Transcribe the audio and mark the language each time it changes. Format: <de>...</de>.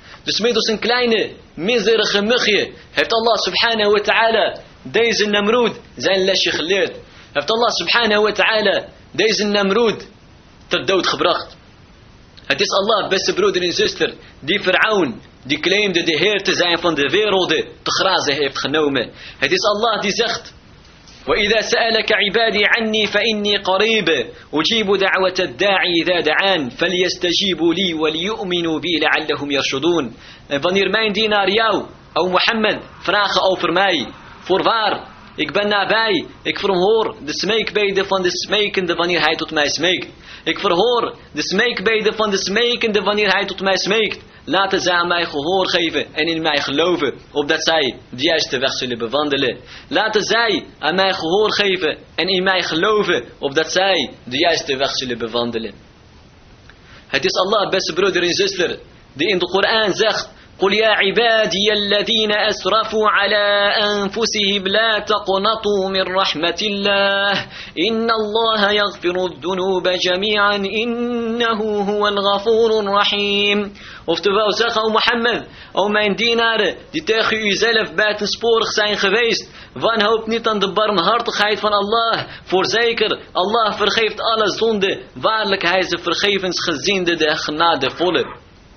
<nl>Dus middels een kleine, miserige mugje heeft Allah subhanahu wa ta'ala deze Namroed zijn lesje geleerd. Heeft Allah subhanahu wa ta'ala deze Namroed ter dood gebracht. Het is Allah, beste broeder en zuster, die Farao'n, die claimde de Heer te zijn van de werelden, te grazen heeft genomen. Het is Allah die zegt,</nl> <ar>وَإِذَا سَأَلَكَ عِبَادِي عَنِّي فَإِنِّي قَرِيبٌ أُجِيبُ دَعْوَةَ الدَّاعِي إِذَا دَعَانِ فَلْيَسْتَجِيبُوا لِي وَلْيُؤْمِنُوا بِي لَعَلَّهُمْ يَرْشُدُونَ.</ar> <nl>En wanneer mijn dienaar jou, O Mohammed, vragen over mij, voorwaar, ik ben nabij, ik verhoor de smeekbeden van de smekende wanneer hij tot mij smeekt. Ik verhoor de smeekbeden van de smekende wanneer hij tot mij smeekt. Laten zij aan mij gehoor geven en in mij geloven, opdat zij de juiste weg zullen bewandelen. Laten zij aan mij gehoor geven en in mij geloven, opdat zij de juiste weg zullen bewandelen. Het is Allah, beste broeder en zuster, die in de Koran zegt,</nl> <ar>قُلْ يَا عِبَادِيَ الَّذِينَ أَسْرَفُوا عَلَىٰ أَنفُسِهِمْ لَا تَقْنَطُوا مِنْ رَحْمَةِ اللَّهِ إِنَّ اللَّهَ يَغْفِرُ الذُّنُوبَ جَمِيعًا إِنَّهُ هُوَ الْغَفُورُ الرَّحِيمُ.</ar> <nl>Oftewel zeg, O Mohammed, O mijn dienaren, die tegen uzelf buitensporig zijn geweest, wanhoop niet aan de barmhartigheid van Allah. Voorzeker, Allah vergeeft alle zonden, waarlijk hij is de vergevensgezinde, de genadevolle.</nl>